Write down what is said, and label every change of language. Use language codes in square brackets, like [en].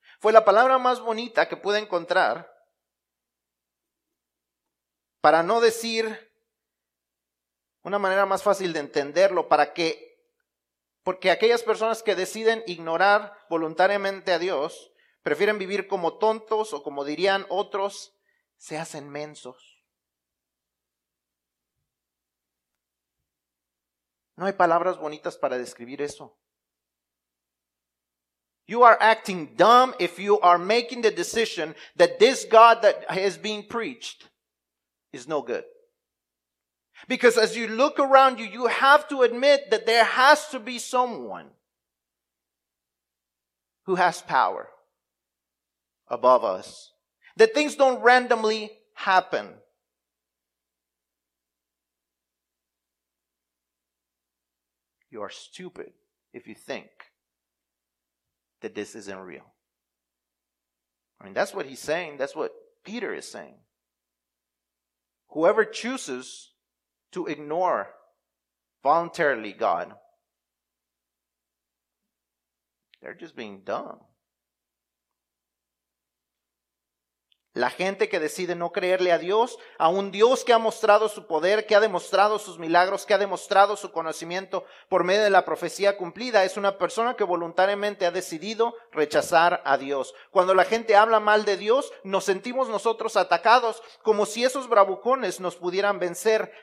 [es] Fue la palabra más bonita que pude encontrar para no decir una manera más fácil de entenderlo, porque aquellas personas que deciden ignorar voluntariamente a Dios prefieren vivir como tontos o, como dirían otros, se hacen mensos. No hay palabras bonitas para describir eso. [en] You are acting dumb if you are making the decision that this God that is being preached is no good. Because as you look around you, you have to admit that there has to be someone who has power above us. That things don't randomly happen. You are stupid if you think that this isn't real. I mean, that's what he's saying. That's what Peter is saying. Whoever chooses to ignore voluntarily God, they're just being dumb. [es] La gente que decide no creerle a Dios, a un Dios que ha mostrado su poder, que ha demostrado sus milagros, que ha demostrado su conocimiento por medio de la profecía cumplida, es una persona que voluntariamente ha decidido rechazar a Dios. Cuando la gente habla mal de Dios, nos sentimos nosotros atacados, como si esos bravucones nos pudieran vencer.